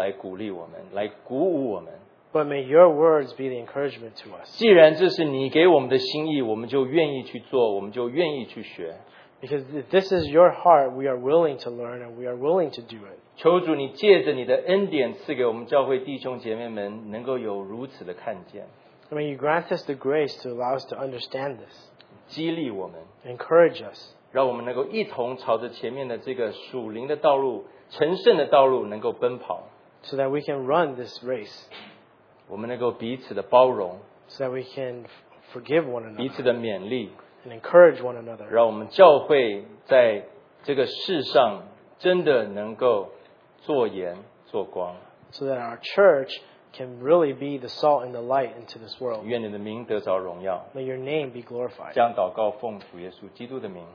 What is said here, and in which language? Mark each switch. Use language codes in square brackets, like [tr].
[zh] 但是求主你的话语亲自的来鼓励我们，来鼓舞我们。But [en] may your words be the encouragement to us. [zh] 既然这是你给我们的心意，我们就愿意去做，我们就愿意去学。Because [en] if this is your heart, we are willing to learn and we are willing to do it. [zh] 求主你借着你的恩典赐给我们教会弟兄姐妹们能够有如此的看见。May [en] you grant us the grace to allow us to understand this. [zh] 激励我们。 [en] Encourage us. [zh] 让我们能够一同朝着前面的这个属灵的道路，成圣的道路能够奔跑。 [en] So that we can run this race. [zh] 我们能够彼此的包容。 [en] So that we can forgive one another. [zh] 彼此的勉励。 [en] And encourage one another. [zh] 让我们教会在这个世上真的能够做盐做光。 [en] So that our church can really be the salt and the light into this world. [zh] 愿你的名得着荣耀。 [en] May your name be glorified. [zh] 这样祷告奉主耶稣基督的名。